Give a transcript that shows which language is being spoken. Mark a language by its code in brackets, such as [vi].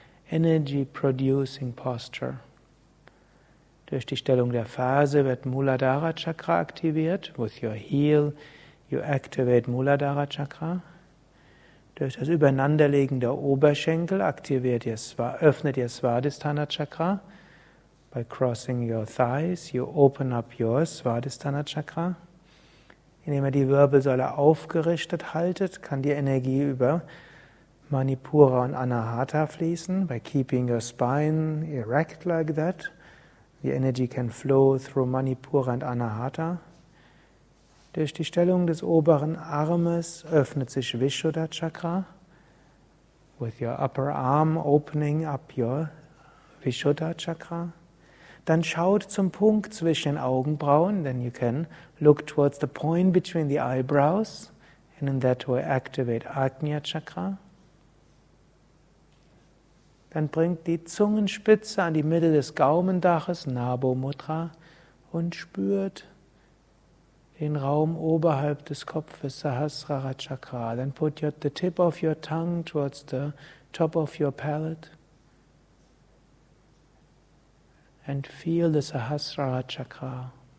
[en] Energy producing posture. [de] Durch die Stellung der Ferse wird Muladhara Chakra aktiviert. [en] With your heel, you activate Muladhara Chakra. [de] Durch das Übereinanderlegen der Oberschenkel aktiviert ihr, öffnet ihr Svadhisthana Chakra. [en] By crossing your thighs, you open up your Svadhisthana Chakra. [de] Indem ihr die Wirbelsäule aufgerichtet haltet, kann die Energie über Manipura und Anahata fließen, [en] by keeping your spine erect like that. The energy can flow through Manipura and Anahata. [de] Durch die Stellung des oberen Armes öffnet sich Vishuddha Chakra. [en] With your upper arm opening up your Vishuddha Chakra. [de] Dann schaut zum Punkt zwischen den Augenbrauen, [en] then you can look towards the point between the eyebrows and in that way activate Ajna Chakra. [de] Dann bringt die Zungenspitze an die Mitte des Gaumendaches, Nabo Mudra, und spürt den Raum oberhalb des Kopfes, Sahasrara Chakra. [en] Then put the tip of your tongue towards the top of your palate and feel the Sahasrara Chakra.